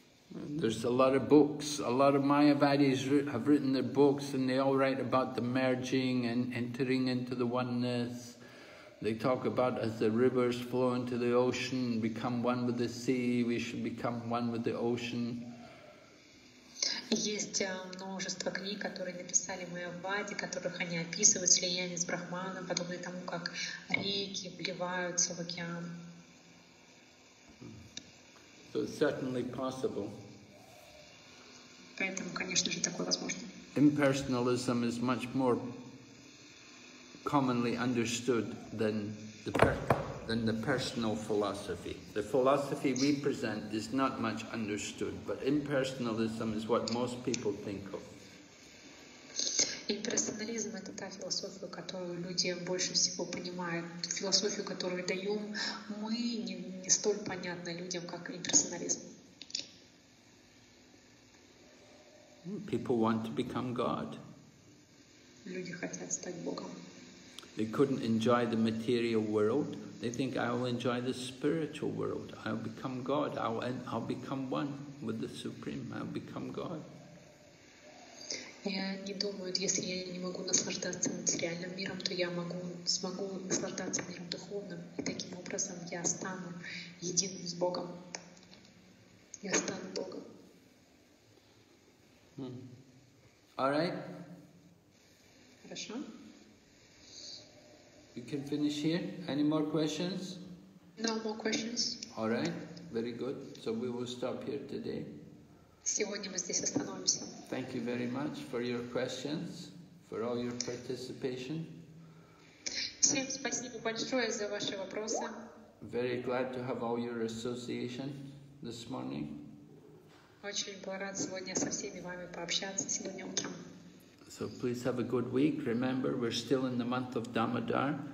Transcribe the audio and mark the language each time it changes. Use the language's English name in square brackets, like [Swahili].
[English] There's a lot of books, a lot of Mayavadis have written their books, and they all write about the merging and entering into the oneness. They talk about as the rivers flow into the ocean, become one with the sea, we should become one with the ocean. [Russian] Есть множество книг, которые написали Майавади, которых они описывают слияние с Брахманом, подобное тому, как реки вливаются в океан. [English] So it's certainly possible. [Russian] Поэтому, конечно же, такое возможно. [English] Impersonalism is much more commonly understood than the personal philosophy. The philosophy we present is not much understood, but impersonalism is what most people think of. [Russian] Имперсонализм – это та философия, которую люди больше всего понимают. Философию, которую даем мы, не столь понятна людям, как имперсонализм. [English] People want to become God. [Russian] Люди хотят стать Богом. [English] They couldn't enjoy the material world. They think, I will enjoy the spiritual world. I'll become God. I'll become one with the Supreme. I'll become God. [Russian] Я не думаю, если я не могу наслаждаться материальным миром, то я смогу наслаждаться миром духовным, и таким образом я стану единым с Богом. Я стану Богом. [English] All right. [Russian] Хорошо. хорошо? [English] We can finish here. Any more questions? No more questions. All right. Very good. So we will stop here today. [Russian] Сегодня мы здесь остановимся. [English] Thank you very much for your questions, for all your participation. [Russian] Всем спасибо большое за ваши вопросы. [English] Very glad to have all your association this morning. [Russian] Очень был рад сегодня со всеми вами пообщаться сегодня утром. [English] So please have a good week. Remember, we're still in the month of Damodar.